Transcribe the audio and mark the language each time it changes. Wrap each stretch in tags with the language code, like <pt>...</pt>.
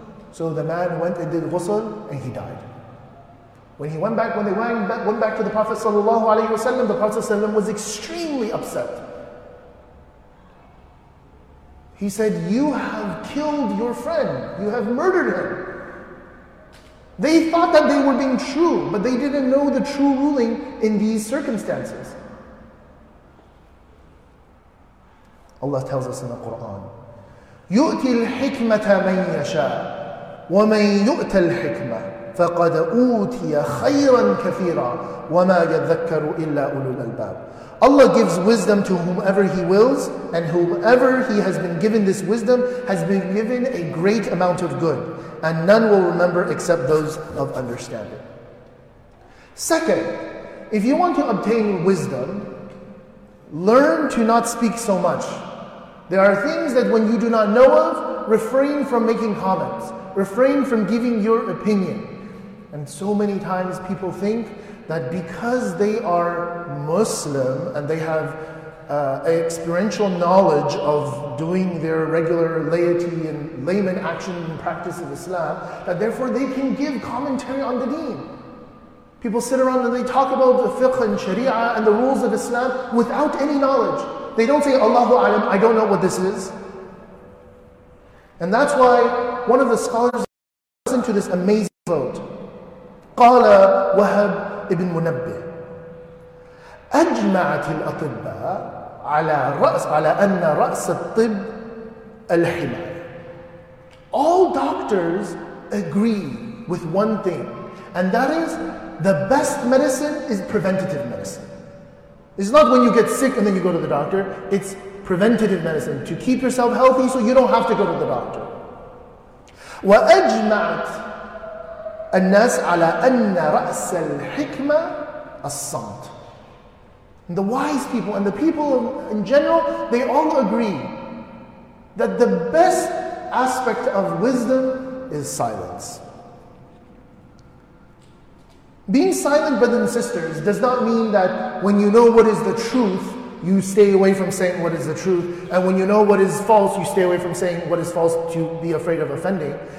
<en>So the man went and did ghusl, and he died. When they went back to the Prophet ﷺ, the Prophet ﷺ was extremely upset. He said, you have killed your friend, you have murdered him. They thought that they were being true, but they didn't know the true ruling in these circumstances. Allah tells us in the Quran,</en> <ar>يُؤْتِ الْحِكْمَةَ مَنْ يَشَاءُ وَمَنْ يُؤْتَ الْحِكْمَةَ فَقَدْ أُوْتِيَ خَيْرًا كَثِيرًا وَمَا يَذَّكَّرُ إِلَّا أُولُو الْأَلْبَابِ.</ar> <en>Allah gives wisdom to whomever He wills, and whomever He has been given this wisdom has been given a great amount of good, and none will remember except those of understanding. Second, if you want to obtain wisdom, learn to not speak so much. There are things that when you do not know of, refrain from making comments, refrain from giving your opinion. And so many times people think that because they are Muslim and they have experiential knowledge of doing their regular laity and layman action and practice of Islam, that therefore they can give commentary on the deen. People sit around and they talk about the fiqh and sharia and the rules of Islam without any knowledge. They don't say, Allahu alam, I don't know what this is. And that's why one of the scholars listened to this amazing quote. Qala Wahab ibn Munabbih.</en> <ar>أجمعت الأطباء على رأس على أن رأس الطب الحماية.</ar> <en>All doctors agree with one thing, and that is the best medicine is preventative medicine. It's not when you get sick and then you go to the doctor. It's preventative medicine to keep yourself healthy so you don't have to go to the doctor.</en> <ar>وأجمعت الناس على أن رأس الحكمة الصمت.</ar> <en>The wise people and the people in general, they all agree that the best aspect of wisdom is silence. Being silent, brothers and sisters, does not mean that when you know what is the truth, you stay away from saying what is the truth, and when you know what is false, you stay away from saying what is false to be afraid of offending.</en>